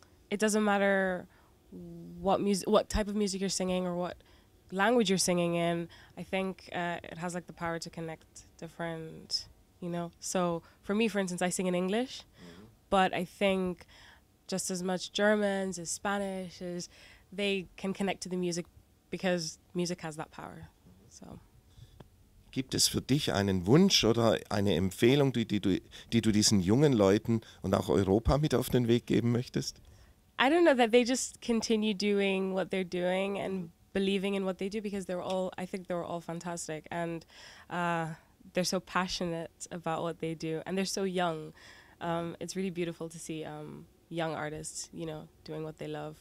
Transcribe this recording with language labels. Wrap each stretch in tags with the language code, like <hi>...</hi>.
<en>It doesn't matter what type of music you're singing or what language you're singing in. I think it has like the power to connect different, you know. So for me, for instance, I sing in English, mm-hmm. but I think just as much Germans as Spanish as they can connect to the music. Because music has that power. So.</en> <de>Gibt es für dich einen Wunsch oder eine Empfehlung, die du diesen jungen Leuten und auch Europa mit auf den Weg geben möchtest?</de> <en>I don't know that they just continue doing what they're doing and believing in what they do because they're all, I think they're all fantastic and they're so passionate about what they do and they're so young. It's really beautiful to see. Young artists, you know, doing what they love.</en>